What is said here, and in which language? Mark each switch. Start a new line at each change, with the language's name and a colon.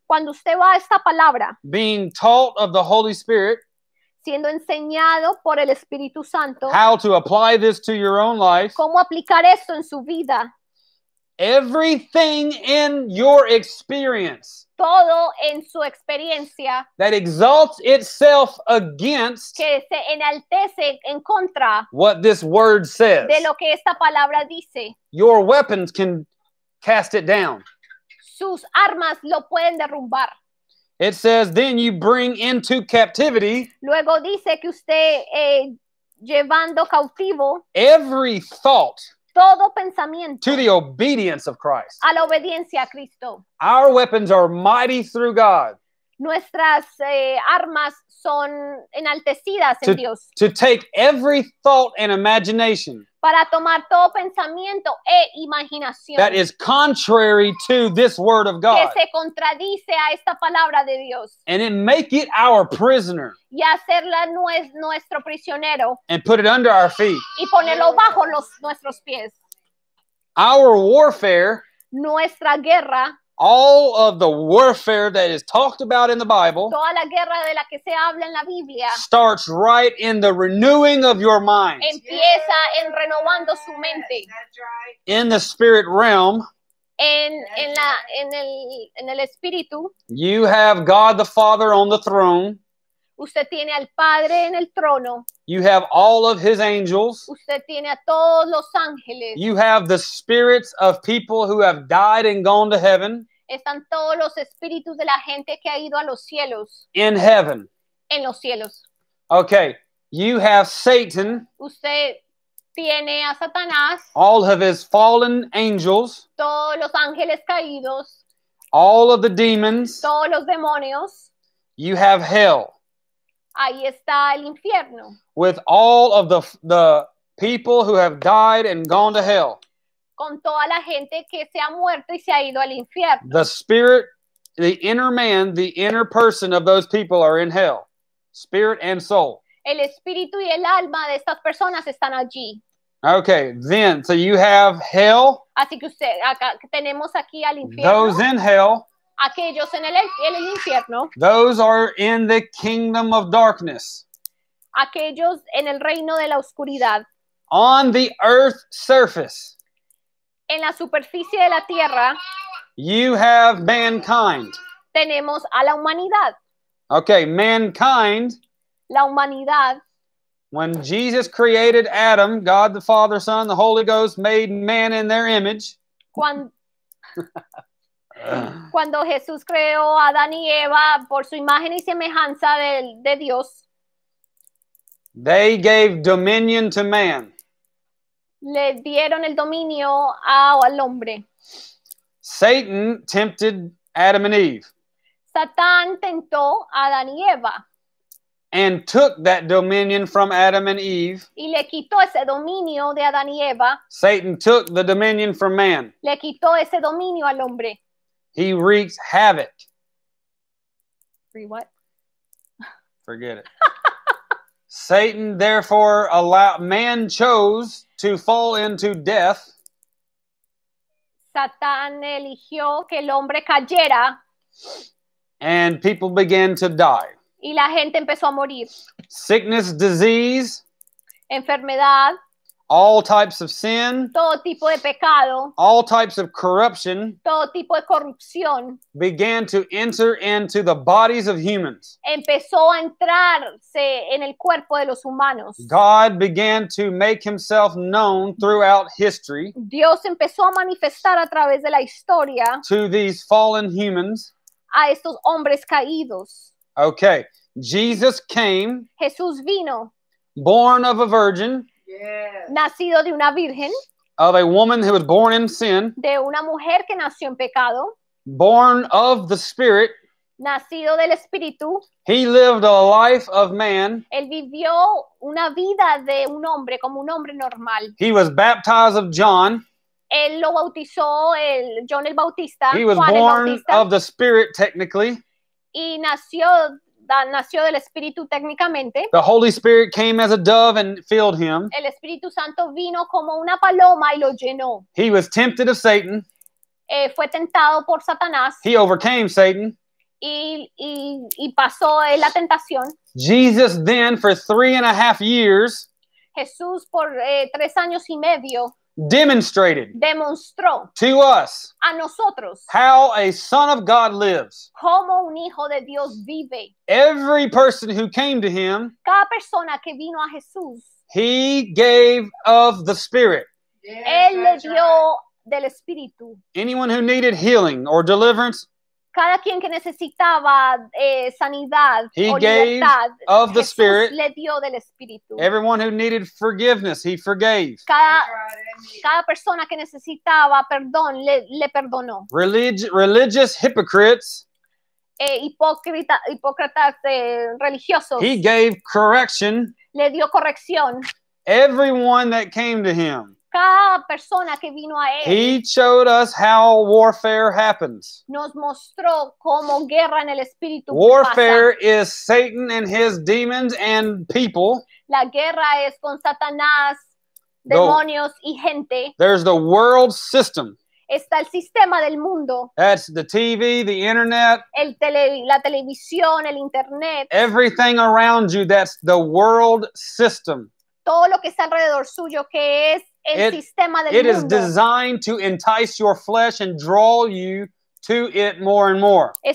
Spanish: Cuando usted va a esta palabra.
English: Being taught of the Holy Spirit.
Spanish: Siendo enseñado por el Espíritu Santo.
English: How to apply this to your own life.
Spanish: Cómo aplicar esto en su vida.
English: Everything in your experience.
Spanish: Todo en su experiencia.
English: That exalts itself against.
Spanish: Que se enaltece en contra.
English: What this word says.
Spanish: De lo que esta palabra dice.
English: Your weapons can cast it down.
Spanish: Sus armas lo pueden derrumbar.
English: It says, then you bring into captivity.
Spanish: Luego dice que usted llevando cautivo.
English: Every thought.
Spanish: Todo pensamiento.
English: To the obedience of Christ.
Spanish: A la obediencia a Cristo.
English: Our weapons are mighty through God.
Spanish: Nuestras armas son enaltecidas en Dios.
English: To take every thought and imagination.
Spanish: Para tomar todo pensamiento e imaginación.
English: That is contrary to this word of God.
Spanish: Que se contradice a esta palabra de Dios.
English: And then make it our prisoner.
Spanish: Y hacerla nuestro prisionero.
English: And put it under our feet.
Spanish: Y ponerlo bajo nuestros pies.
English: Our warfare.
Spanish: Nuestra guerra.
English: All of the warfare that is talked about in the Bible.
Spanish: Toda la guerra de la que se habla en la Biblia.
English: Starts right in the renewing of your mind.
Spanish: Empieza en renovando su mente.
English: In the spirit realm.
Spanish: En el espíritu.
English: You have God the Father on the throne.
Spanish: Usted tiene al Padre en el trono.
English: You have all of his angels.
Spanish: Usted tiene a todos los ángeles.
English: You have the spirits of people who have died and gone to heaven.
Spanish: Están todos los espíritus de la gente que ha ido a los cielos.
English: In heaven.
Spanish: En los cielos.
English: Okay. You have Satan.
Spanish: Usted tiene a Satanás.
English: All of his fallen angels.
Spanish: Todos los ángeles caídos.
English: All of the demons.
Spanish: Todos los demonios.
English: You have hell.
Spanish: Ahí está el infierno.
English: With all of the people who have died and gone to hell.
Spanish: Con toda la gente que se ha muerto y se ha ido al infierno.
English: The spirit, the inner man, the inner person of those people are in hell. Spirit and soul.
Spanish: El espíritu y el alma de estas personas están allí.
English: Okay, then, so you have hell.
Spanish: Así que usted, acá tenemos aquí al infierno.
English: Those in hell.
Spanish: Aquellos en el infierno.
English: Those are in the kingdom of darkness.
Spanish: Aquellos en el reino de la oscuridad.
English: On the earth surface.
Spanish: En la superficie de la tierra.
English: You have mankind.
Spanish: Tenemos a la humanidad.
English: Okay, mankind.
Spanish: La humanidad.
English: When Jesus created Adam, God the Father, Son, the Holy Ghost made man in their image.
Spanish: Cuando Jesús creó a Adán y Eva por su imagen y semejanza de Dios,
English: they gave dominion to man.
Spanish: Le dieron el dominio al hombre.
English: Satan tempted Adam and Eve.
Spanish: Satán tentó a Adán y Eva.
English: And took that dominion from Adam and Eve.
Spanish: Y le quitó ese dominio de Adán y Eva.
English: Satan took the dominion from man.
Spanish: Le quitó ese dominio al hombre.
English: He wreaks havoc. Free what? Forget it. Satan therefore allowed, man chose to fall into death.
Spanish: Satan eligió que el hombre cayera.
English: And people began to die.
Spanish: Y la gente empezó a morir.
English: Sickness, disease.
Spanish: Enfermedad.
English: All types of sin.
Spanish: Todo tipo de pecado.
English: All types of corruption.
Spanish: Todo tipo de corrupción.
English: Began to enter into the bodies of humans.
Spanish: Empezó a entrarse en el cuerpo de los humanos.
English: God began to make himself known throughout history.
Spanish: Dios empezó a manifestar a través de la historia.
English: To these fallen humans.
Spanish: A estos hombres caídos.
English: Okay. Jesus came.
Spanish: Jesús vino.
English: Born of a virgin. Yes.
Spanish: Nacido de una virgen.
English: of a woman who was born in sin.
Spanish: De una mujer que nació en pecado.
English: Born of the Spirit.
Spanish: Nacido del Espíritu.
English: He lived a life of man.
Spanish: Él vivió una vida de un hombre, como un hombre normal.
English: He was baptized of John.
Spanish: Él lo bautizó, el John el Bautista.
English: He was
Spanish: Juan
English: born
Spanish: el Bautista.
English: Of the Spirit, technically.
Spanish: Y nació del Espíritu técnicamente.
English: The Holy Spirit came as a dove and filled him.
Spanish: El Espíritu Santo vino como una paloma y lo llenó.
English: He was tempted of Satan.
Spanish: Fue tentado por Satanás.
English: He overcame Satan.
Spanish: Y pasó la tentación.
English: Jesus then for 3.5 years.
Spanish: Jesús por 3 años y medio.
English: Demonstrated.
Spanish: Demostró.
English: To us.
Spanish: A nosotros.
English: How a son of God lives.
Spanish: Como un hijo de Dios vive.
English: Every person who came to him.
Spanish: Cada persona que vino a Jesús.
English: He gave of the Spirit.
Spanish: Yeah, él le dio right. Del Espíritu.
English: Anyone who needed healing or deliverance.
Spanish: Cada quien que necesitaba sanidad
English: he
Spanish: o
English: gave
Spanish: libertad,
English: of the
Spanish: Jesús
English: Spirit.
Spanish: Le dio del Espíritu.
English: Everyone who needed forgiveness, he forgave.
Spanish: Cada persona que necesitaba perdón, le perdonó.
English: Religious hypocrites,
Spanish: hipócritas religiosos,
English: he gave correction.
Spanish: Le dio corrección.
English: Everyone that came to him.
Spanish: Cada persona que vino a él,
English: he showed us how warfare happens.
Spanish: Nos mostró cómo guerra en el espíritu
English: warfare
Spanish: pasa.
English: Is Satan and his demons and people.
Spanish: La guerra es con Satanás, demonios y gente.
English: There's the world system.
Spanish: Está el sistema del mundo.
English: That's the TV, the internet.
Spanish: La televisión, el internet.
English: Everything around you, that's the world system.
Spanish: Todo lo que está alrededor suyo, que es el sistema del mundo.
English: It is designed to entice your flesh and draw you to it more and more.